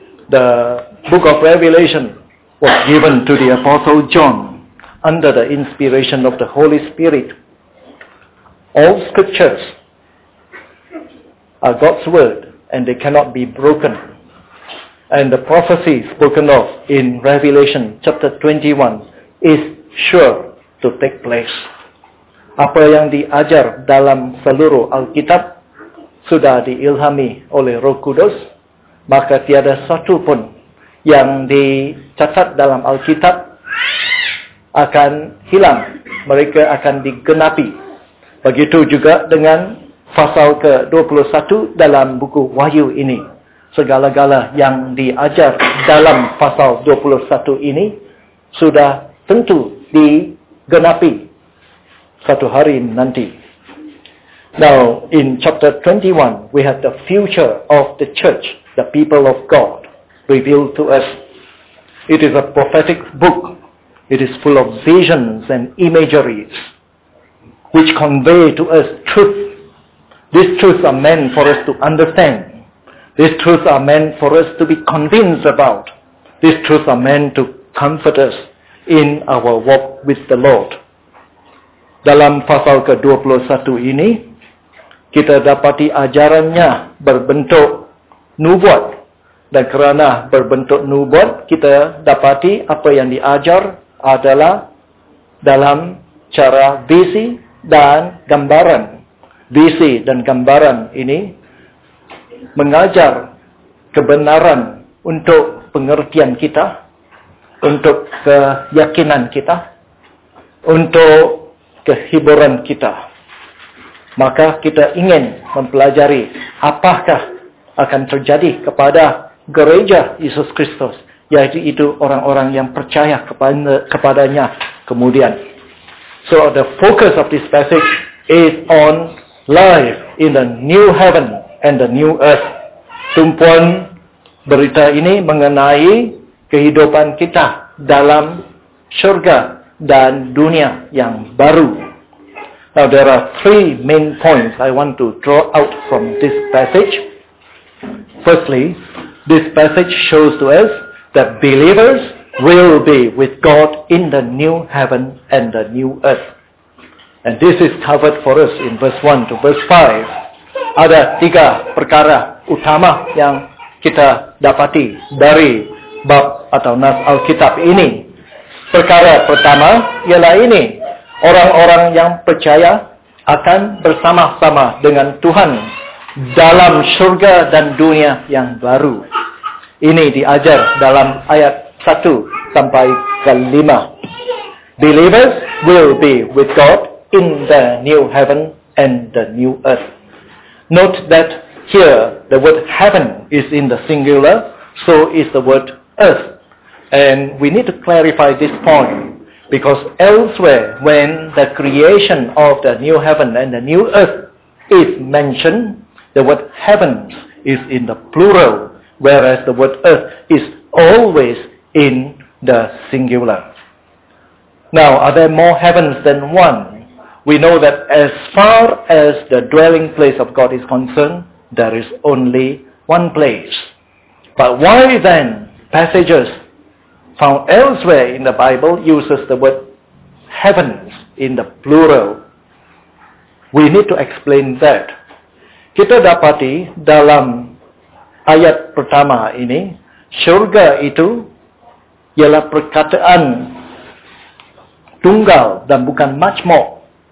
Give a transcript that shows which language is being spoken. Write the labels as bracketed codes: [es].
[en] The book of Revelation was given to the Apostle John under the inspiration of the Holy Spirit. All scriptures are God's word and they cannot be broken. And the prophecy spoken of in Revelation chapter 21 is sure to take place. [ms] Apa yang diajar dalam seluruh Alkitab sudah diilhami oleh Roh Kudus, maka tiada satu pun yang dicatat dalam Alkitab akan hilang. Mereka akan digenapi. Begitu juga dengan pasal ke-21 dalam buku Wahyu ini. Segala-gala yang diajar dalam pasal 21 ini sudah tentu digenapi satu hari nanti. [en] Now, in chapter 21, we have the future of the church, the people of God, revealed to us. It is a prophetic book. It is full of visions and imageries which convey to us truth. These truths are meant for us to understand. These truths are meant for us to be convinced about. These truths are meant to comfort us in our walk with the Lord. [ms] Dalam pasal ke-21 ini, kita dapati ajarannya berbentuk nubuat. Dan kerana berbentuk nubuat, kita dapati apa yang diajar adalah dalam cara visi dan gambaran. Visi dan gambaran ini mengajar kebenaran untuk pengertian kita, untuk keyakinan kita, untuk kehiburan kita. Maka kita ingin mempelajari apakah akan terjadi kepada gereja Yesus Kristus, yaitu orang-orang yang percaya kepadanya kemudian. [en] So the focus of this passage is on life in the new heaven and the new earth. [ms] Tumpuan berita ini mengenai kehidupan kita dalam syurga dan dunia yang baru. [en] Now, there are three main points I want to draw out from this passage. Firstly, this passage shows to us that believers will be with God in the new heaven and the new earth. And this is covered for us in verse 1 to verse 5. [ms] Ada tiga perkara utama yang kita dapati dari bab atau nas Alkitab ini. Perkara pertama ialah ini, orang-orang yang percaya akan bersama-sama dengan Tuhan dalam syurga dan dunia yang baru. Ini diajar dalam ayat 1 sampai ke 5. [en] Believers will be with God in the new heaven and the new earth. Note that here the word heaven is in the singular, so is the word earth. And we need to clarify this point, because elsewhere when the creation of the new heaven and the new earth is mentioned, the word heavens is in the plural, whereas the word earth is always in the singular. Now, are there more heavens than one? We know that as far as the dwelling place of God is concerned, there is only one place. But why then passages found elsewhere in the Bible uses the word heavens in the plural? We need to explain that. [ms] Kita dapati dalam ayat pertama ini, syurga itu ialah perkataan tunggal dan bukan majmuk.